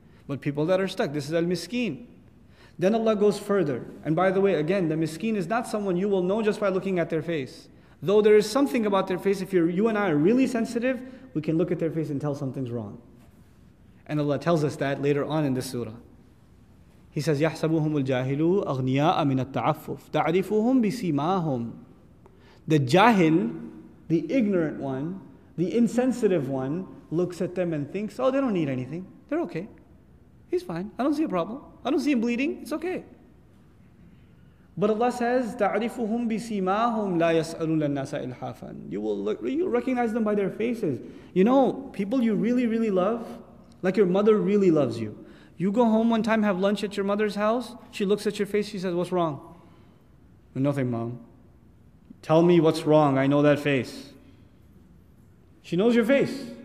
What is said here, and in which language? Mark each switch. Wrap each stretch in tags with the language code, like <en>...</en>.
<en>But people that are stuck, this is al-miskeen. Then Allah goes further, and by the way, again, the miskeen is not someone you will know just by looking at their face. Though there is something about their face, if you and I are really sensitive, we can look at their face and tell something's wrong. And Allah tells us that later on in this surah. He says,</en> <ar>يَحْسَبُهُمُ الْجَاهِلُ أَغْنِيَاءَ مِنَ التَّعَفُّفِ تَعْرِفُهُمْ بِسِيمَاهُمْ.</ar> <en>The jahil, the ignorant one, the insensitive one, looks at them and thinks, oh, they don't need anything. They're okay. He's fine. I don't see a problem. I don't see him bleeding. It's okay. But Allah says,</en> <ar>تَعْرِفُهُمْ بِسِيمَاهُمْ لَا يَسْأَلُونَ النَّاسَ إِلْحَافًا.</ar> <en>You'll recognize them by their faces. You know, people you really, really love, like your mother really loves you. You go home one time, have lunch at your mother's house, she looks at your face, she says, what's wrong? Nothing, mom. Tell me what's wrong, I know that face. She knows your face.</en>